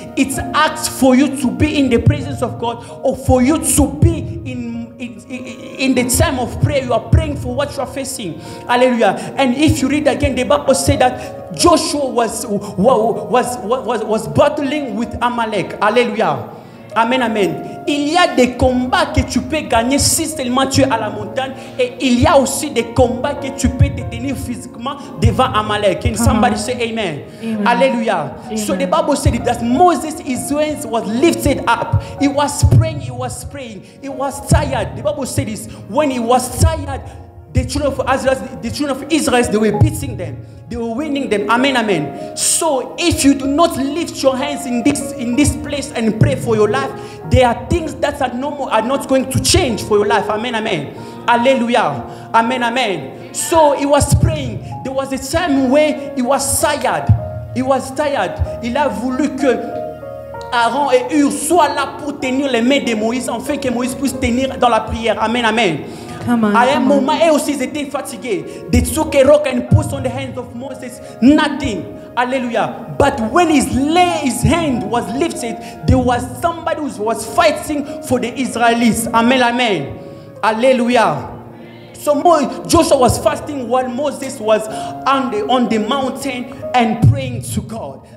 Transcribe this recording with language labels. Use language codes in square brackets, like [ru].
[en] It asks for you to be in the presence of God, or for you to be in the time of prayer. You are praying for what you are facing. Hallelujah. And if you read again, the Bible says that Joshua was battling with Amalek. Hallelujah. Amen, amen. [fr] Il y a des combats que tu peux gagner si seulement tu es à la montagne. Et il y a aussi des combats que tu peux te tenir physiquement devant Amalek. [en] Can somebody say amen? Amen. Alleluia. Amen. So the Bible said that Moses, his hands was lifted up. He was praying, he was praying. He was tired. The Bible said this. When he was tired, the children of Israel, they were beating them. They were winning them. Amen, amen. So if you do not lift your hands in this place and pray for your life, there are things that are not going to change for your life. Amen, amen. Hallelujah. Amen, amen. So he was praying. There was a time where he was tired. He was tired. [fr] Il a voulu que Aaron et Hur soient là pour tenir les mains de Moïse, afin que Moïse puisse tenir dans la prière. [en] Amen, amen. Come on, I am mama. [fr] Eux aussi étaient fatigués. [en] They took a rock and put on the hands of Moses. Nothing. Hallelujah. But when his hand was lifted, there was somebody who was fighting for the Israelites. Amen, amen. Hallelujah. So Joshua was fasting while Moses was on the mountain and praying to God.